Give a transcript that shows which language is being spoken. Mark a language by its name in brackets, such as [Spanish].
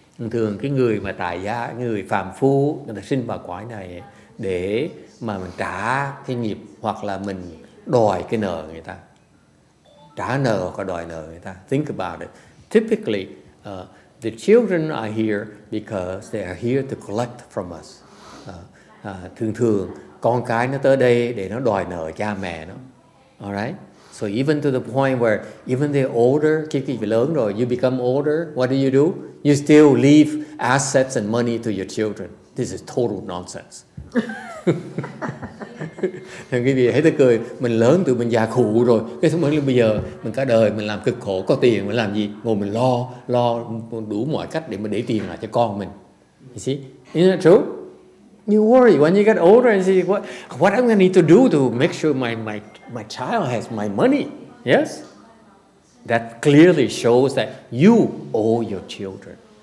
[Vietnamese] Thường cái người mà tài gia, người phàm phu, người ta sinh vào cõi này để mà mình trả cái nghiệp hoặc là mình đòi cái nợ người ta. Trả nợ hoặc đòi nợ người ta. [English] Think about it. Typically, the children are here because they are here to collect from us. [Vietnamese] Thường thường, con cái nó tới đây để nó đòi nợ cha mẹ nó. [English] Alright? So even to the point where even they're older, you become older, what do? You still leave assets and money to your children. This is total nonsense. [Vietnamese] Thì quý vị hãy tự cười, mình lớn tụi mình già khủ rồi. Cái thứ mình bây giờ, mình cả đời mình làm cực khổ, có tiền mình làm gì? Ngồi mình lo đủ mọi cách để mình để tiền lại cho con mình. [English] You see? Isn't that true? You worry when you get older and see what I'm going to need to do to make sure my child has my money. Yes? That clearly shows that you owe your children.